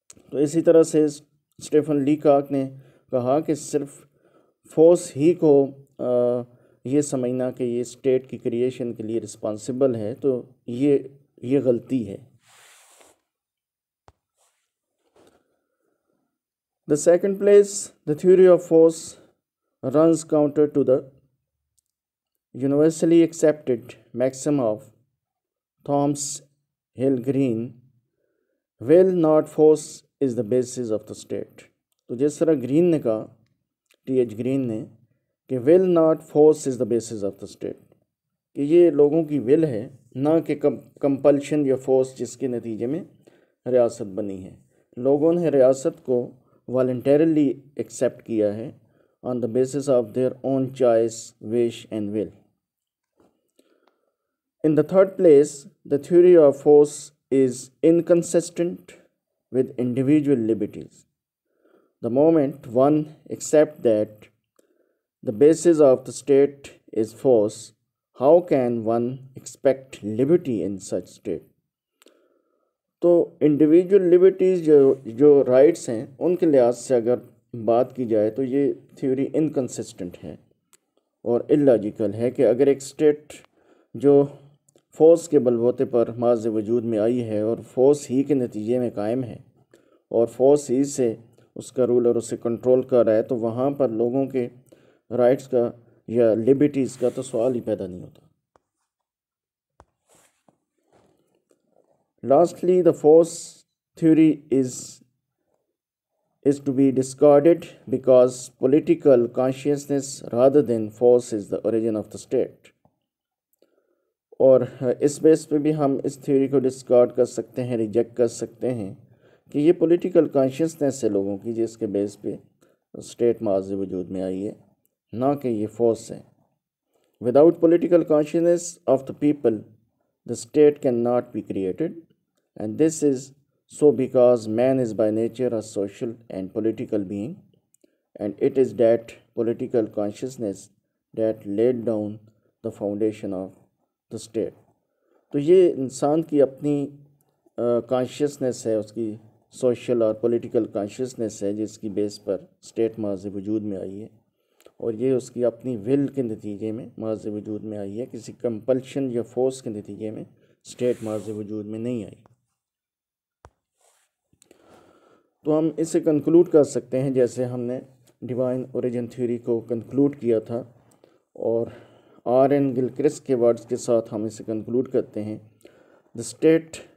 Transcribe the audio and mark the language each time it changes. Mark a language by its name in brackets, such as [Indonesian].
[Urdu] تو اسی طرح سے اسٹیفن لیکاک نے کہا کہ صرف فورس ہی کو یہ سمجھنا کہ یہ اسٹیٹ کی کریشن کے لیے رسپانسیبل ہے تو یہ غلطی ہے. [English] The second place, the theory of force runs counter to the universally accepted maxim of Thomas Hill Green, will not force is the basis of the state. [Urdu] تو جس طرح گرین نے کہا، ٹی ایچ گرین نے، کہ [English] will not force is the basis of the state، [Urdu] کہ یہ لوگوں کی ول ہے نہ کہ کمپلشن یا فورس جس کے نتیجے میں ریاست بنی ہے. لوگوں نے ریاست کو والنٹیرلی ایکسیپٹ کیا ہے [English] On the basis of their own choice, wish and will. In the third place, the theory of force is inconsistent with individual liberties. The moment one accept that the basis of the state is force, how can one expect liberty in such state? [Urdu] تو individual liberties جو rights ہیں ان کے لحاظ سے اگر بات کی جائے تو یہ تھیوری انکنسسٹنٹ ہے اور الاجیکل ہے کہ اگر ایک اسٹیٹ جو فورس کے بل بوتے پر ماضی وجود میں آئی ہے اور فورس ہی کے نتیجے میں قائم ہے اور فورس ہی سے اس کا رولر اسے کنٹرول کر رہا ہے، تو وہاں پر لوگوں کے رائٹس کا یا لبرٹیز کا تو سوال ہی پیدا نہیں ہوتا. [English] Lastly, the force theory is to be discarded because political consciousness rather than force is the origin of the state. [Urdu] اور اس بیس پہ بھی ہم اس تھیوری کو ڈسکارڈ کر سکتے ہیں، ریجیکٹ کر سکتے ہیں، کہ یہ پولیٹیکل کانشیسنیس ہے لوگوں کی جس کے بیس پہ اسٹیٹ ماضی وجود میں آئی ہے، نہ کہ یہ فورس ہے. [English] Without political consciousness of the people, the state cannot be created. And this is so because man is by nature a social and political being, and it is that political consciousness that laid down the foundation of the state. [Urdu] تو یہ انسان کی اپنی consciousness ہے، اس کی social اور political consciousness ہے جس کی بیس پر اسٹیٹ ماضی وجود میں آئی ہے، اور یہ اس کی اپنی ول کے نتیجے میں ماضی وجود میں آئی ہے، کسی کمپلشن یا فورس کے نتیجے میں اسٹیٹ ماضی وجود میں نہیں آئی۔ تو ہم اسے کنکلوڈ کر سکتے ہیں جیسے ہم نے ڈیوائن اوریجن تھیوری کو کنکلوڈ کیا تھا، اور آر این گلکرسٹ کے ورڈز کے ساتھ ہم اسے کنکلوڈ کرتے ہیں، دا اسٹیٹ